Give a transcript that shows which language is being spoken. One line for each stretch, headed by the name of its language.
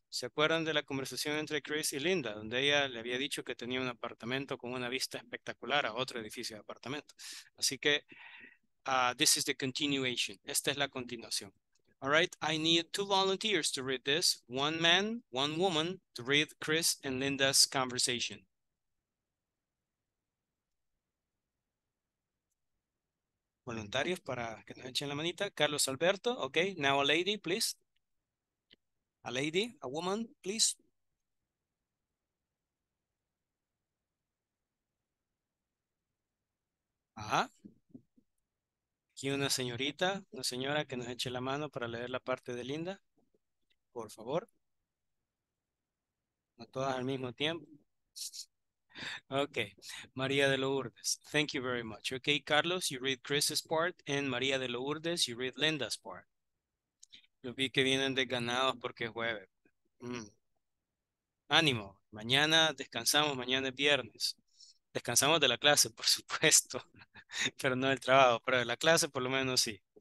Spanish: ¿Se acuerdan de la conversación entre Chris y Linda? Donde ella le había dicho que tenía un apartamento con una vista espectacular a otro edificio de apartamento. Así que,
English: this is the continuation.
Spanish: Esta es la continuación.
English: All right, I need two volunteers to read this. One man, one woman, to read Chris and Linda's conversation.
Spanish: Voluntarios para que nos echen la manita. Carlos Alberto, okay.
English: Now a lady, please. A lady, a woman, please. Ajá.
Spanish: Aquí una señorita, una señora que nos eche la mano para leer la parte de Linda. Por favor. No todas al mismo tiempo. Okay.
English: María de Lourdes. Thank you very much. Okay, Carlos, you read Chris's part and María de Lourdes, you read Linda's part.
Spanish: Los vi que vienen desganados porque es jueves. Mm. Ánimo. Mañana descansamos. Mañana es viernes. Descansamos de la clase, por supuesto. Pero no del trabajo. Pero de la clase, por lo menos, sí.